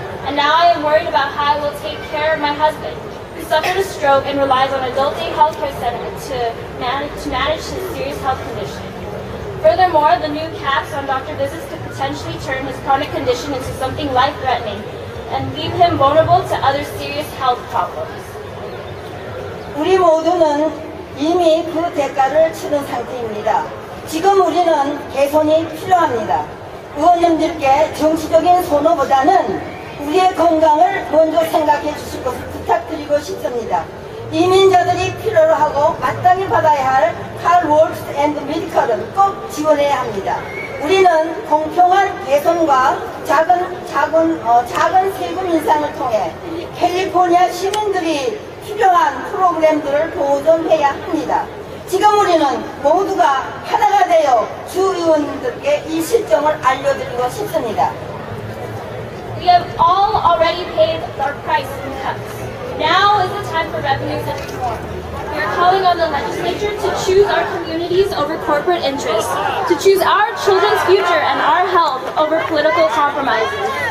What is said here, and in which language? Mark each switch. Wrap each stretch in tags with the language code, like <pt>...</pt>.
<en>And now I am worried about how I will take care of my husband, who suffered a stroke and relies on adult day healthcare settlement to manage his serious health condition. Furthermore, the new caps on doctor visits could potentially turn his chronic condition into something life-threatening and leave him vulnerable to other serious health problems.</en> <ko>우리 모두는 이미 그 대가를 치른 상태입니다. 지금 우리는 개선이 필요합니다. 의원님들께 정치적인 선호보다는 우리의 건강을 먼저 생각해 주실 것을 부탁드리고 싶습니다. 이민자들이 필요로 하고 마땅히 받아야 할 Car Works and Medical은 꼭 지원해야 합니다. 우리는 공평한 개선과 작은 세금 인상을 통해 캘리포니아 시민들이 필요한 프로그램들을 보존해야 합니다. 지금 우리는 모두가 하나가 되어 주 의원님들께 이 실정을 알려드리고 싶습니다.</ko> <en>We have all already paid our price in cuts. Now is the time for revenues and reform. We are calling on the legislature to choose our communities over corporate interests, to choose our children's future and our health over political compromises.</en>